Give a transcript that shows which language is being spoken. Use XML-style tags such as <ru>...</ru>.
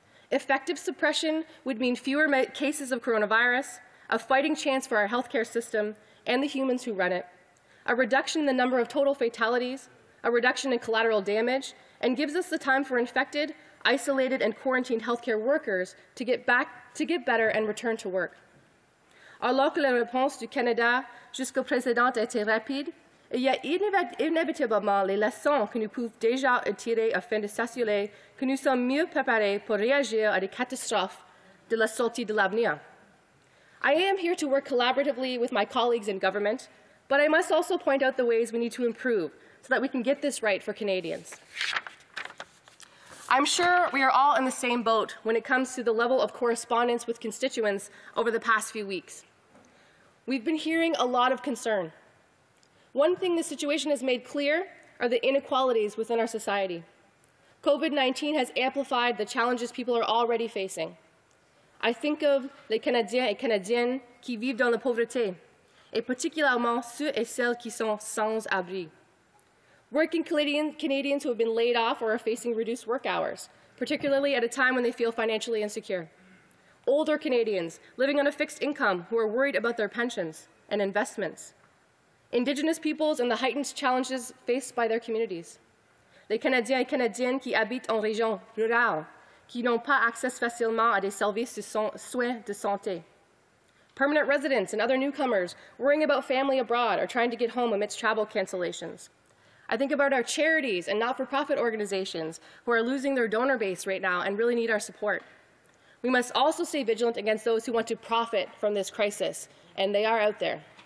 <en>Effective suppression would mean fewer cases of coronavirus, a fighting chance for our healthcare system and the humans who run it, a reduction in the number of total fatalities, a reduction in collateral damage, and gives us the time for infected, isolated, and quarantined healthcare workers to get back, to get better and return to work.</en> <fr>Alors que la réponse du Canada jusqu'au président a été rapide, il y a inévitablement les leçons que nous pouvons déjà tirer afin de s'assurer que nous sommes mieux préparés pour réagir à des catastrophes de la sortie de l'avenir.</fr> <en>I am here to work collaboratively with my colleagues in government, but I must also point out the ways we need to improve so that we can get this right for Canadians. I'm sure we are all in the same boat when it comes to the level of correspondence with constituents over the past few weeks. We've been hearing a lot of concern. One thing the situation has made clear are the inequalities within our society. COVID-19 has amplified the challenges people are already facing. I think of</en> <fr>les Canadiens et Canadiennes qui vivent dans la pauvreté, et particulièrement ceux et celles qui sont sans abri.</fr> <en>Working Canadians who have been laid off or are facing reduced work hours, particularly at a time when they feel financially insecure. Older Canadians living on a fixed income who are worried about their pensions and investments. Indigenous peoples and the heightened challenges faced by their communities.</en> <fr>Les Canadiens et Canadiennes qui habitent en région rurale, qui n'ont pas accès facilement à des services de soins de santé.</fr> <en>Permanent residents and other newcomers worrying about family abroad or trying to get home amidst travel cancellations. I think about our charities and not-for-profit organizations who are losing their donor base right now and really need our support. We must also stay vigilant against those who want to profit from this crisis, and they are out there.</en>